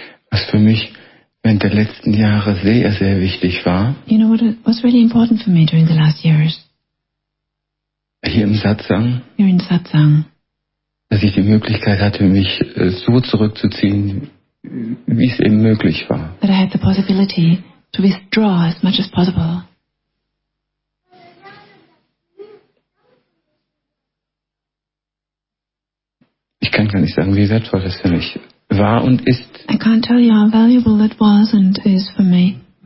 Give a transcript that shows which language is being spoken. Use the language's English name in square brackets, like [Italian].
[German] Was für mich während der letzten Jahre sehr, sehr wichtig war. [English] You know what was really important for me during the last years? [German] Hier im Satsang. [English] Here in Satsang. [German] Dass ich die Möglichkeit hatte, mich so zurückzuziehen, wie es eben möglich war. [English] That I had the possibility to withdraw as much as possible. [German] Ich kann gar nicht sagen, wie wertvoll das für mich war und ist. [English] I can't tell you how valuable it was and is for me.